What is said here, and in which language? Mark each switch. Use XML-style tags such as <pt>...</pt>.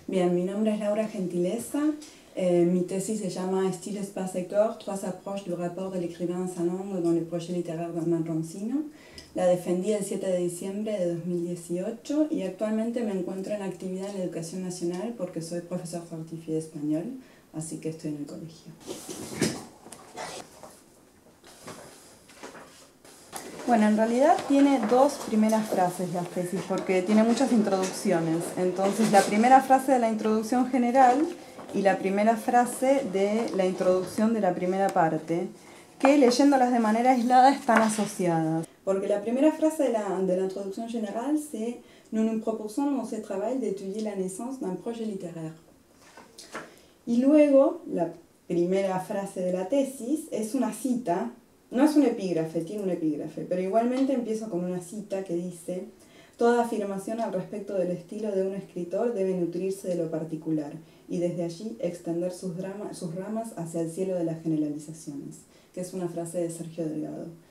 <es>Bien, mi nombre es Laura Gentileza. Mi tesis se llama</es> <fr>Style Espace-Corps, trois approches du rapport de l'écrivain salon dans le projet littéraire d'Armand Roncino.</fr> <es>La defendí el 7 de diciembre de 2018 y actualmente me encuentro en actividad en la educación nacional porque soy profesor certificado de español, así que estoy en el colegio. Bueno, en realidad tiene dos primeras frases la tesis, porque tiene muchas introducciones. Entonces, la primera frase de la introducción general y la primera frase de la introducción de la primera parte, que leyéndolas de manera aislada están asociadas. Porque la primera frase de la introducción general es:</es> <fr>Nous nous proposons dans ce travail d'étudier la naissance d'un projet littéraire.</fr> <es>Y luego, la primera frase de la tesis es una cita. No es un epígrafe, tiene un epígrafe, pero igualmente empiezo con una cita que dice: Toda afirmación al respecto del estilo de un escritor debe nutrirse de lo particular y desde allí extender sus ramas hacia el cielo de las generalizaciones, que es una frase de Sergio Delgado.</es>